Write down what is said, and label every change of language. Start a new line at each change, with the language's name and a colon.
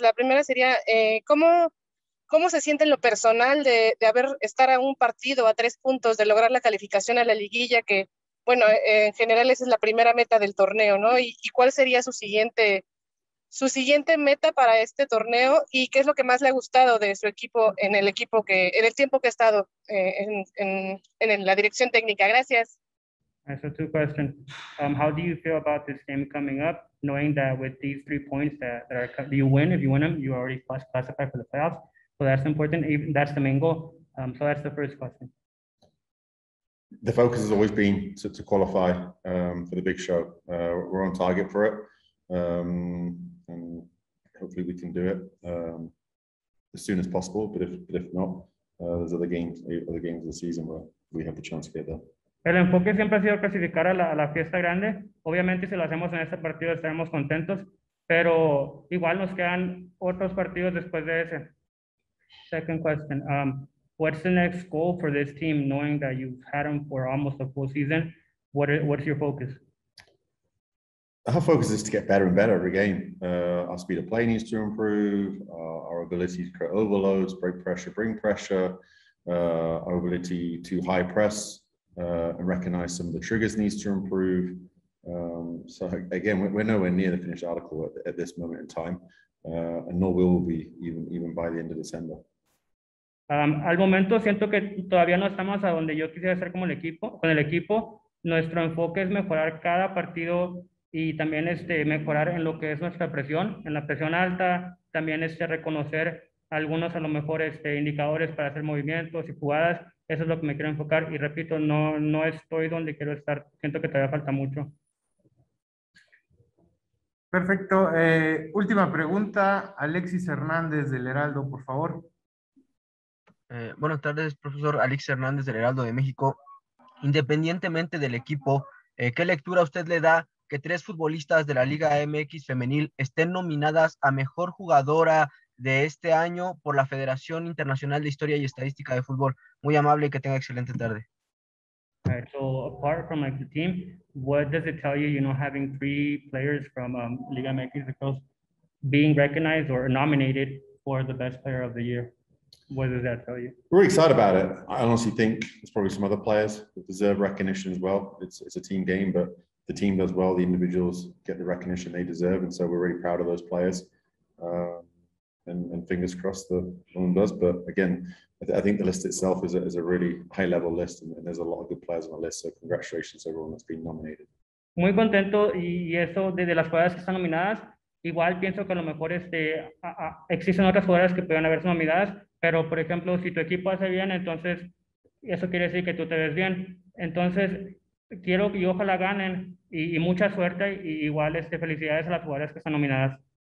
Spanish: La primera sería, ¿cómo se siente en lo personal de haber estar a un partido, a 3 puntos, de lograr la calificación a la liguilla, que, bueno, en general esa es la primera meta del torneo, ¿no? ¿Y cuál sería su siguiente meta para este torneo? ¿Y qué es lo que más le ha gustado de su equipo en el equipo que, en el tiempo que ha estado en la dirección técnica? Gracias.
English: So 2 questions. How do you feel about this game coming up, knowing that with these 3 points that are you win, if you win them, you already classify for the playoffs. So that's important. That's the main goal. So that's the first question. The focus has always been to qualify for the big show. We're on target for it, and hopefully we can do it. as soon as possible. But if not, there's other games of the season where we have the chance to get there.
Spanish: El enfoque siempre ha sido clasificar a la fiesta grande. Obviamente, si lo hacemos en este partido, estaremos contentos. Pero igual nos quedan otros partidos después de ese.
English: Second question. What's the next goal for this team, knowing that you've had them for almost a full season? What's your focus? Our focus is to get better and better every game. Our speed of play needs to improve. Our ability to create overloads, break pressure, bring pressure. Our ability to high press and recognize some of the triggers needs to improve. So again, we're nowhere near the finished article at this moment in time, and nor will we be even by the end of December.
Spanish: Al momento siento que todavía no estamos a donde yo quisiera estar como el equipo. Con el equipo, nuestro enfoque es mejorar cada partido y también mejorar en lo que es nuestra presión, en la presión alta, también reconocer algunos a lo mejor indicadores para hacer movimientos y jugadas. Eso es lo que me quiero enfocar y repito, no estoy donde quiero estar. Siento que todavía falta mucho. Perfecto. Última pregunta, Alexis Hernández del Heraldo, por favor. Buenas tardes, profesor Alex Hernández del Heraldo de México. Independientemente del equipo, ¿qué lectura usted le da que tres futbolistas de la Liga MX Femenil estén nominadas a mejor jugadora de este año por la Federación Internacional de Historia y Estadística de Fútbol? Muy amable y que tenga excelente tarde.
English: So apart from the team, what does it tell you, you know, having three players from Liga MX being recognized or nominated for the best player of the year? What does that tell you? We're really excited about it. I honestly think there's probably some other players that deserve recognition as well. It's a team game, but the team does well. The individuals get the recognition they deserve, and so we're really proud of those players. And fingers crossed the one does. But again, I think the list itself is a really high-level list, and there's a lot of good players on the list. So congratulations to everyone that's been nominated.
Spanish: Muy contento y eso de las jugadoras que están nominadas. Igual pienso que a lo mejor existen otras jugadoras que pueden haberse nominadas. Pero, por ejemplo, si tu equipo hace bien, entonces eso quiere decir que tú te ves bien. Entonces, quiero y ojalá ganen y mucha suerte y igual felicidades a las jugadoras que están nominadas.